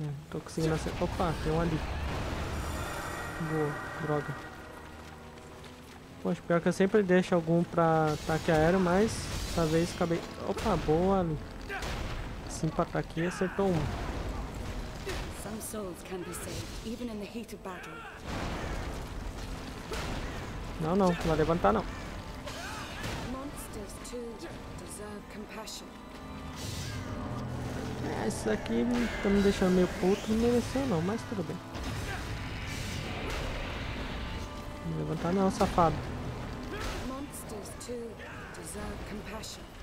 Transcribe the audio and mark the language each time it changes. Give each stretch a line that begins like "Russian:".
Portuguese: Tô conseguindo acertar. Opa, tem um ali. Boa, droga. Poxa, pior que eu sempre deixo algum pra ataque aéreo, mas dessa vez acabei. Opa, boa ali. Assim pra ataque aqui, acertou um.
English: Some souls can be saved, even in the heat of battle.
Portuguese: Não, não, não vai levantar não.
English: Monsters too deserve compassion.
Portuguese: Esse aqui tá me deixando meio puto, não mereceu não, mas tudo bem. Não levantar não, safado.
English: Monsters too deserve compassion.